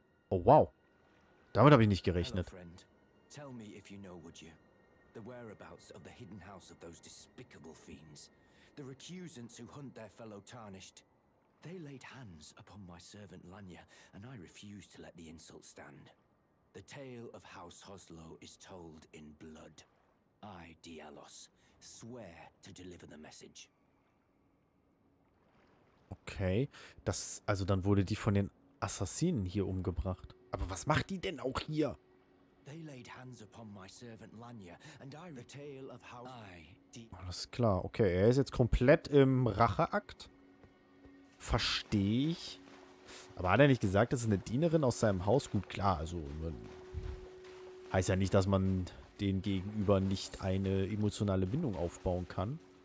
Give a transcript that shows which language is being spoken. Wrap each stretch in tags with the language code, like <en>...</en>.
<de>Oh, wow. Damit habe ich nicht gerechnet.</de> <en>Tell me if you know, would you? The whereabouts of the hidden house of those despicable fiends. The recusants who hunt their fellow tarnished. They laid hands upon my servant Lanya, and I refuse to let the insult stand. The tale of House Hoslow is told in blood. I, Dialos, swear to deliver the message.</en> <de>Okay, das, also dann wurde die von den Assassinen hier umgebracht. Aber was macht die denn auch hier?</de> <en>They laid hands upon my servant Lanya, and I, the tale of House...</en> <de>Alles klar, okay, er ist jetzt komplett im Racheakt. Verstehe ich. Aber hat er nicht gesagt, das ist eine Dienerin aus seinem Haus? Gut, klar, also heißt ja nicht, dass man den gegenüber nicht eine emotionale Bindung aufbauen kann.</de>